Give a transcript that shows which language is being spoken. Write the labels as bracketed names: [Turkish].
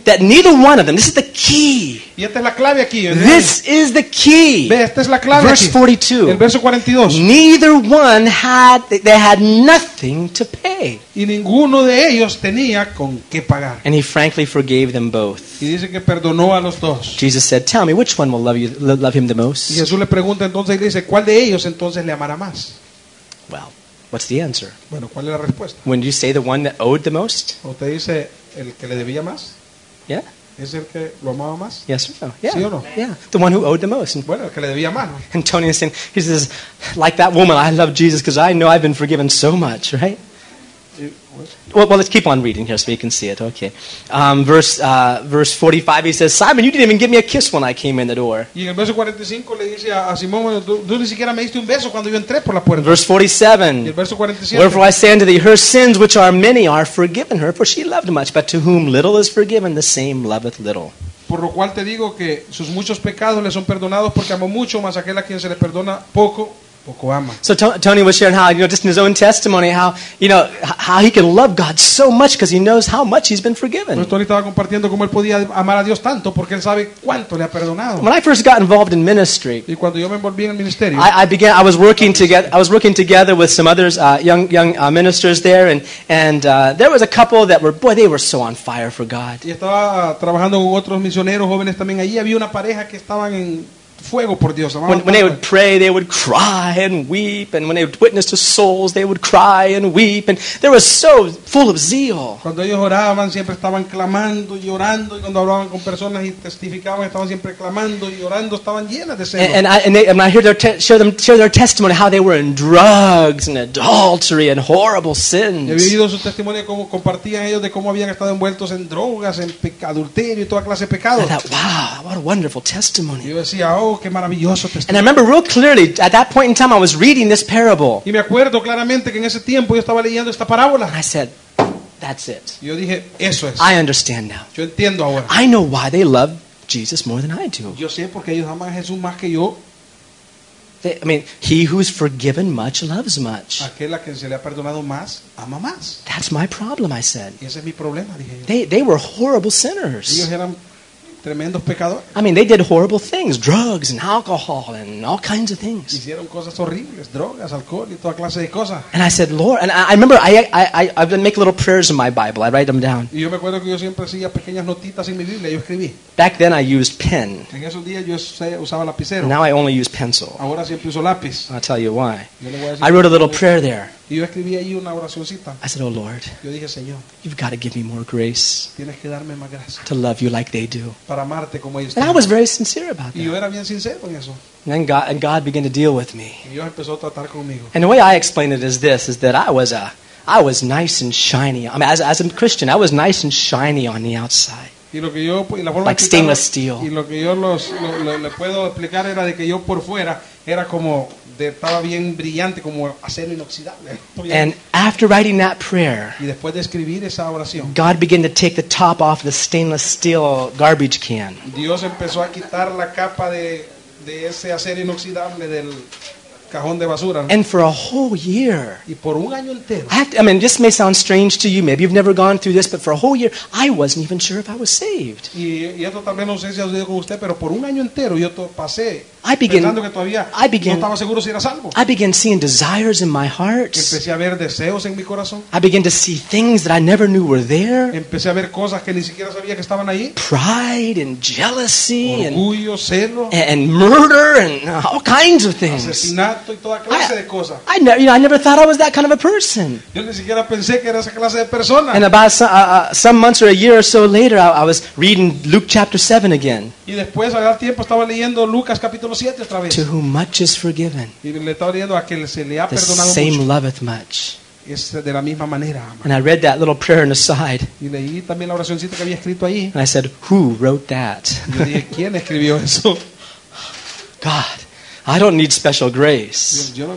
[English] that neither one of them, this is the key. [Spanish] Y esta es la clave aquí, ¿eh? [English] This is the key. [Spanish] Ve, esta es la clave. [English] Verse 42. [Spanish] El verso 42. [English] Neither one had, they had nothing to pay. [Spanish] Y ninguno de ellos tenía con qué pagar. [English] And he frankly forgave them both. [Spanish] Y dice que perdonó a los dos. [English] Jesus said, tell me, which one will love him the most? [Spanish] Y Jesús le pregunta entonces y le dice, ¿cuál de ellos entonces le amará más? [English] Well, What's the answer? [Spanish] Bueno, ¿cuál es la respuesta? [English] When you say the one that owed the most? [Spanish] ¿Usted dice el que le debía más? [English] Yeah. [Spanish] ¿Es el que lo amaba más? [English] Yes or no? Yeah. [Spanish] ¿Sí o no? [English] Yeah. The one who owed the most. [Spanish] Bueno, el que le debía más, ¿no? [English] And Tony is saying, he says, like that woman, I love Jesus because I know I've been forgiven so much, right? Well, let's keep on reading here so you can see it. Okay. Verse 45, he says, Simon, you didn't even give me a kiss when I came in the door. [Spanish] Y en el verso 45 le dice a Simón, tú ni siquiera me diste un beso cuando yo entré por la puerta. [English] Verse 47. [Spanish] Y el verso 47. [English] Wherefore I say unto thee, her sins which are many are forgiven her, for she loved much, but to whom little is forgiven, the same loveth little. [Spanish] Por lo cual te digo que sus muchos pecados le son perdonados porque amó mucho, mas aquel a quien se le perdona poco. [English] So Tony was sharing how, you know, just in his own testimony, how, you know, how he can love God so much because he knows how much he's been forgiven. [Spanish] Tony estaba compartiendo cómo él podía amar a Dios tanto porque él sabe cuánto le ha perdonado. [English] When I first got involved in ministry, [Spanish] y cuando yo me envolví en el ministerio, [English] I was working together with some others, young ministers there, and there was a couple that were, boy, they were so on fire for God. [Spanish] Y estaba trabajando con otros misioneros jóvenes también allí. Había una pareja que estaban en fuego por Dios. [English] When they would pray, they would cry and weep. And when they would witness to souls, they would cry and weep. And they were so full of zeal. [Spanish] Cuando ellos oraban, siempre estaban clamando y llorando. Y cuando hablaban con personas y testificaban, estaban siempre clamando y llorando. Estaban llenas de celo. [English] And I hear their share their testimony how they were in drugs and adultery and horrible sins. [Spanish] He vivido su testimonio como compartían ellos de cómo habían estado envueltos en drogas, en adulterio y toda clase de pecados. [English] I thought, wow, what a wonderful testimony. [Spanish] Yo decía, oh, qué maravilloso testimonio. [English] And I remember real clearly at that point in time I was reading this parable. [Spanish] Y me acuerdo claramente que en ese tiempo yo estaba leyendo esta parábola. [English] And I said, that's it. [Spanish] Yo dije, eso es. [English] I understand now. [Spanish] Yo entiendo ahora. [English] I know why they love Jesus more than I do. [Spanish] Yo sé porque ellos aman a Jesús más que yo. [English] I mean, he who is forgiven much loves much. [Spanish] Aquel a quien se le ha perdonado más, ama más. [English] That's my problem, I said. [Spanish] Y ese es mi problema, dije yo. [English] They were horrible sinners. [Spanish] Ellos eran, [English] I mean, they did horrible things, drugs and alcohol and all kinds of things. [Spanish] Hicieron cosas horribles, drogas, alcohol y toda clase de cosas. [English] And I said, Lord, and I remember I would make little prayers in my Bible. I write them down. [Spanish] Y yo me acuerdo que yo siempre hacía pequeñas notitas en mi Biblia, yo escribí. [English] Back then I used pen. [Spanish] En esos días yo usaba lapicero. [English] Now I only use pencil. [Spanish] Ahora siempre uso lápiz. [English] I'll tell you why. I wrote a little prayer there. [Spanish] Y yo escribí ahí una oracioncita. [English] I said, oh Lord, [Spanish] yo dije, Señor, [English] you've got to give me more grace, [Spanish] tienes que darme más gracia, [English] to love you like they do. [Spanish] Para amarte como ellos. [English] And I was very sincere about that. [Spanish] Y yo era bien sincero en eso. [English] And God began to deal with me. [Spanish] Y Dios empezó a tratar conmigo. [English] And the way I explain it is this, is that I was nice and shiny. I mean, as a Christian, I was nice and shiny on the outside. [Spanish] Y lo que yo, y la forma [English] like stainless steel. [Spanish] Y lo que yo le puedo explicar era de que yo por fuera era como, estaba bien brillante, como acero inoxidable. [English] And after writing that prayer, [Spanish] y después de escribir esa oración, [English] God began to take the top off the stainless steel garbage can. [Spanish] Dios empezó a quitar la capa de ese acero inoxidable del cajón de basura. [English] And for a whole year, [Spanish] y por un año entero, [English] I mean, this may sound strange to you, maybe you've never gone through this, but for a whole year, I wasn't even sure if I was saved. [Spanish] Y esto también no sé si ha sucedido con usted, pero por un año entero yo pasé. [English] I began seeing desires in my heart. [Spanish] Empecé a ver deseos en mi corazón. [English] I began to see things that I never knew were there. [Spanish] Empecé a ver cosas que ni siquiera sabía que estaban ahí. [English] Pride and jealousy. [Spanish] Orgullo, celo. [English] And murder and all kinds of things. [Spanish] Asesinato y toda clase de cosas. [English] I never thought I was that kind of a person. [Spanish] Yo ni siquiera pensé que era esa clase de persona. [English] And about some months or a year or so later, I was reading Luke chapter 7 again. [Spanish] Y después, al tiempo, estaba leyendo Lucas capítulo. [English] To whom much is forgiven, the same loveth much. And I read that little prayer on the side. And I said, who wrote that? God, I don't need special grace.